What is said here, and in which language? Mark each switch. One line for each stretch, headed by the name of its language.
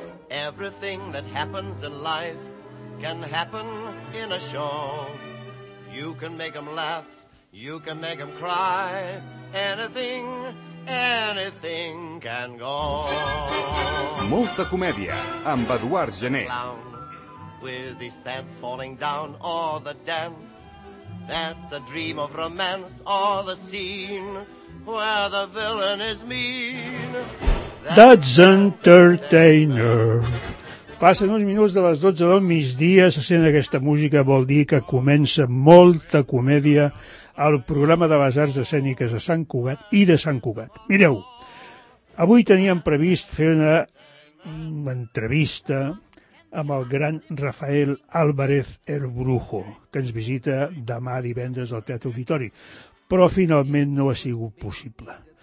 English: Everything that happens in life can happen in a show. You can make 'em laugh, you can make 'em cry. Anything, anything can go.
Catalan: Molta comèdia amb Eduard Gené.
English: With his pants falling down, or the dance that's a dream of romance, or the scene where the villain is mean. That's entertainer.
Catalan: Passen uns minuts de les 12 del migdia, se sent aquesta música, vol dir que comença molta comèdia al programa de les arts escèniques de Sant Cugat i de Sant Cugat. Mireu, avui teníem previst fer una entrevista amb el gran Rafael Álvarez el Brujo, que ens visita demà divendres al Teatre Auditori, però finalment no ha sigut possible.